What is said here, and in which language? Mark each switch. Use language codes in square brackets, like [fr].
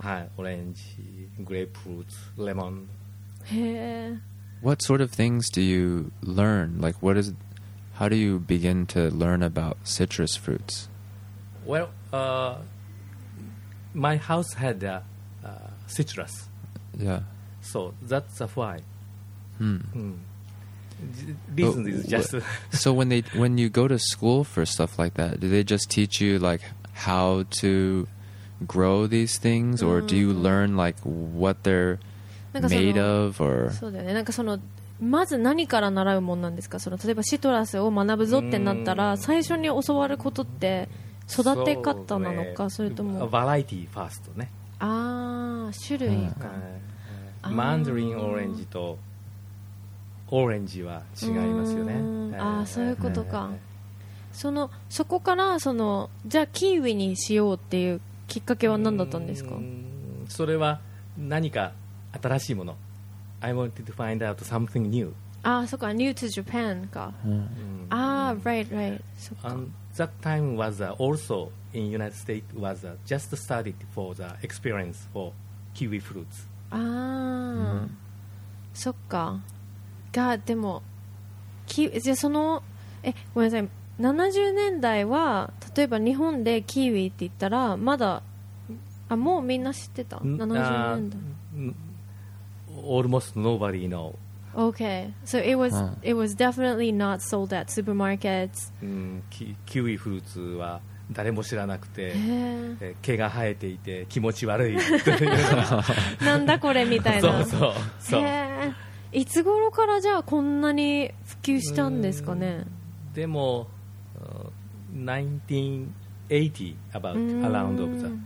[ja] はい、オレンジ、グレープフルーツ、レモン。 [en] What sort of things do you learn? Like what is, how do you begin to learn about citrus fruits? Well, My house had citrus. Yeah. So that's why. Reason is just. So when you go to school for stuff like that, do they just teach you like how to grow these things, or do you learn like what they're made of, or? [ja] そうだよね。なんかそのまず何から習うもんなんですか。その例えばシトラスを学ぶぞってなったら、最初に教わることって。育て方なのか、 それともバラエティーファーストね。ああ、種類か。マンダリンオレンジとオレンジは違いますよね。ああ、そういうことか。そこからそのじゃあキウイにしようっていうきっかけは何だったんですか？それは何か新しいもの。 [en] I wanted to find out something new. [ja] ああ、そっか。 [en] New to Japan [ja] か。ああ、 [en] right, right. [ja] そっか。 [en] That time was also in United States was just started for the experience for kiwi fruits. [ja] そっか。が、でも、キウイ、じゃその、ごめんなさい。 70年代は、例えば日本でキウイって言ったら、まだ、もうみんな知ってた。70年代。 [en] Almost nobody know. Okay, so it was definitely not sold at supermarkets. [ja] キウイフルーツは誰も知らなくて、毛が生えていて気持ち悪い。なんだこれみたいな。そうそうそう。いつ頃からじゃあこんなに普及したんですかね。でも [en] 1980 about around of the